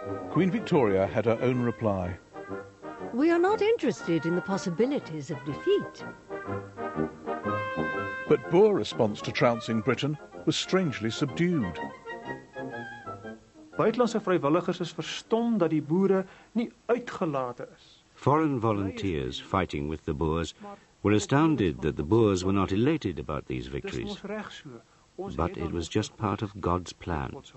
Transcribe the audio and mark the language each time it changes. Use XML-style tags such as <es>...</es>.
<en>Queen Victoria had her own reply. We are not interested in the possibilities of defeat. But Boer's response to trouncing Britain was strangely subdued.</en> <af>Buitenlandse vrijwilligers is verstom dat die boere nie uitgelaten is.</af> <en>Foreign volunteers fighting with the Boers were astounded that the Boers were not elated about these victories. But it was just part of God's plan.</en>